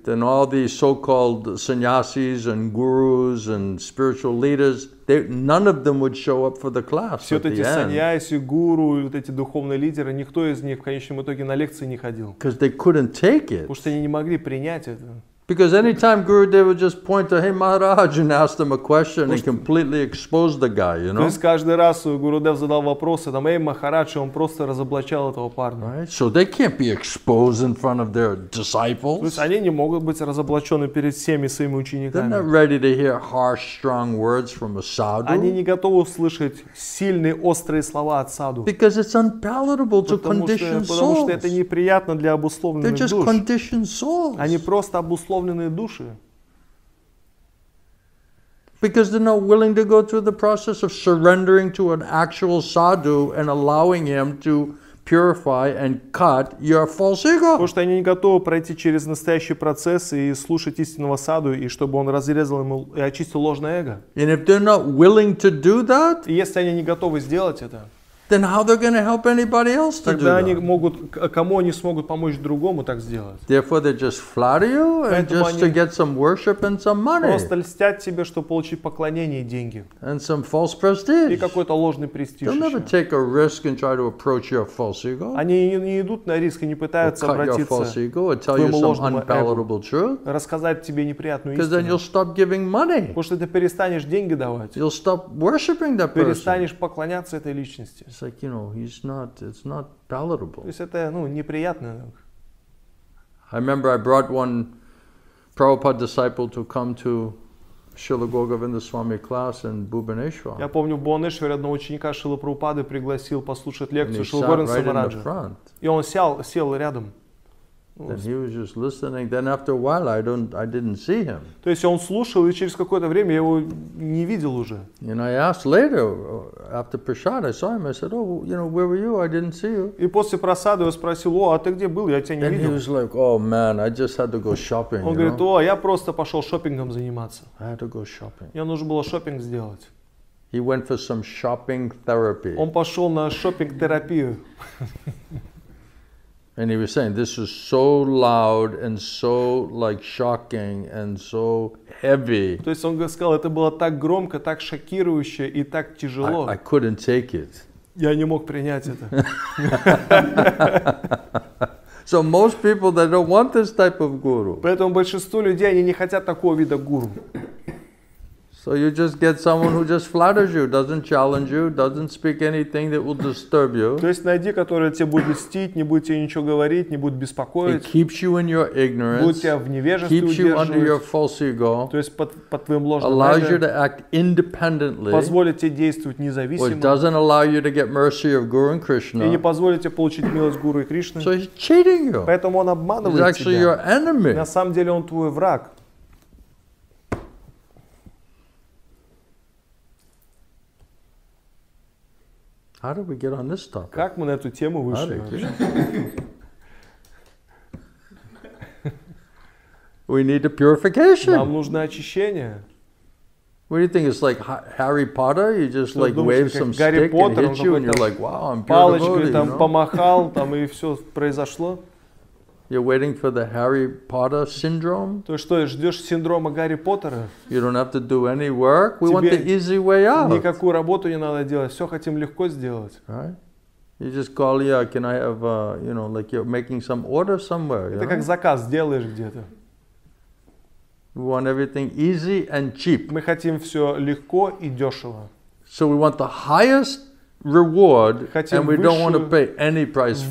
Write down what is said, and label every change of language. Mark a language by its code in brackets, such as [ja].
[en] Then all these so-called sannyasis and gurus and spiritual leaders, none of them would show up for the class. [ru] Все эти саньяси, гуру, вот эти духовные лидеры, никто из них в конечном итоге на лекции не ходил. [en] Because they couldn't take it. [ru] Потому что они не могли принять это. [en] Because anytime Gurudev would just point to, hey Maharaj, and ask them a question, and completely expose the guy, you know. [ru] То есть каждый раз Гурудев задал вопросы, там, эй, Махарадж, он просто разоблачал этого парня. [en] Right? So they can't be exposed in front of their disciples. [ru] То есть они не могут быть разоблачены перед всеми своими учениками. [en] They're not ready to hear harsh, strong words from a sadhu. [ru] Они не готовы услышать сильные, острые слова от саду. [en] Because it's unpalatable to conditioned souls. [ru] Потому что это неприятно для обусловленных душ. [en] They're just conditioned souls. [ru] Они просто обусловленные души. [en] Because they're not willing to go through the process of surrendering to an actual sadhu and allowing him to purify and cut your false ego. [ru] Потому что они не готовы пройти через настоящий процесс и слушать истинного саду, и чтобы он разрезал ему и очистил ложное эго. [en] And if they're not willing to do that, [ru] если они не готовы сделать это, [en] then how they're going to help anybody else to do that? [ru] Тогда они могут, кому они смогут помочь другому так сделать? [en] Therefore they just flatter you and just to get some worship and some money. [ru] Просто льстят тебе, чтобы получить поклонение и деньги. [en] And some false prestige. [ru] И какой-то ложный престиж. [en] They'll never take a risk and try to approach your false ego. [ru] Они не идут на риск и не пытаются обратиться к твоему ложному эго. Рассказать тебе неприятную истину. [en] Because then you'll stop giving money. [ru] Потому что ты перестанешь деньги давать. [en] You'll stop worshiping that person. [ru] Перестанешь поклоняться этой личности. [en] It's like, you know, he's not, it's not palatable. [ru] То есть это, ну, неприятно. [en] I remember I brought one Prabhupada disciple to come to Шрила Гогавинда Свами [ru] класс [en] in Бхубанешвар. [ru] Я помню, в Бхубанешваре одного ученика Шрила Прабхупады пригласил послушать лекцию Шрила Гогавинда Самараджа. И он сел рядом. [en] And he was just listening. Then after a while, I didn't see him. [ru] То есть он слушал и через какое-то время я его не видел уже. [en] And I asked later, after prasad, I saw him. I said, "Oh, you know, where were you? I didn't see you." [ru] И после просады я спросил: "О, а ты где был? Я тебя не видел." [en] Then he was like, "Oh man, I just had to go shopping." [ru] Он говорит: "О, я просто пошел шопингом заниматься." [en] I had to go shopping. [ru] Мне нужно было шопинг сделать. [en] He went for some shopping therapy. [ru] Он пошел на шопинг терапию. [en] And he was saying, this is so loud and so, like, shocking and so heavy. [ru] То есть он сказал, это было так громко, так шокирующе и так тяжело. [en] I couldn't take it. [ru] Я не мог принять это. [en] So most people, they don't want this type of guru. [ru] Поэтому большинство людей, они не хотят такого вида гуру. [en] So you just get someone who just flatters you, doesn't challenge you, doesn't speak anything that will disturb you. [ru] То есть найди, которая тебе будет льстить, не будет тебе ничего говорить, не будет беспокоить. [en] It keeps you in your ignorance. [ru] Будет тебя в невежестве удерживать. [en] Keeps you under your false ego. [ru] То есть под твоим ложным [en] эго. Allows you to act independently. [ru] Позволит тебе действовать независимо. [en] Or doesn't allow you to get mercy of Guru and Krishna. [ru] И не позволит тебе получить милость Гуру и Кришны. [en] So he's cheating you. [ru] Поэтому он обманывает тебя. [en] He's actually your enemy. [ru] На самом деле он твой враг. [en] How did we get on this topic? [ru] Как мы на эту тему вышли? [en] We need a purification. [ru] Нам нужно очищение. [en] What do you think? It's like Harry Potter? You just like wave some stick and hit you and you're like, wow, I'm purified. [ru] Там помахал, там и все произошло. [en] You're waiting for the Harry Potter syndrome? [ru] То что, ждешь синдрома Гарри Поттера? [en] You don't have to do any work. We want the easy way out. [ru] Никакую работу не надо делать. Все хотим легко сделать. [en] Right? You just call, yeah, can I have, you know, like you're making some order somewhere. [ru] Это как заказ делаешь где-то. [en] We want everything easy and cheap. [ru] Мы хотим все легко и дешево. [en] So we want the highest reward, and we don't want to pay any price for it.